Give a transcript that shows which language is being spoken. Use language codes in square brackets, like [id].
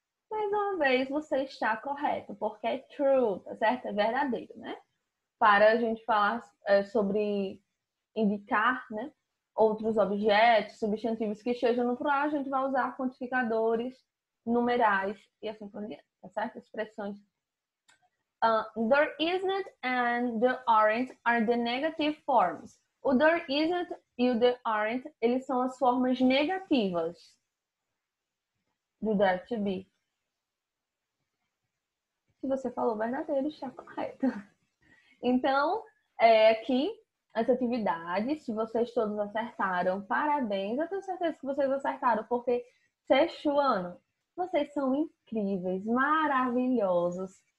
[pt] Mais uma vez, você está correto, porque é true, tá certo? É verdadeiro, né? Para a gente falar sobre indicar, né, outros objetos, substantivos que estejam no plural, a gente vai usar quantificadores, numerais e assim por diante, tá certo? Expressões. [en] There isn't and there aren't are the negative forms. [pt] O there isn't e o there aren't, eles são as formas negativas do there to be. Se você falou verdadeiro, está correto. Então, aqui, as atividades. Se vocês todos acertaram, parabéns. Eu tenho certeza que vocês acertaram, porque sexto ano, vocês são incríveis, maravilhosos.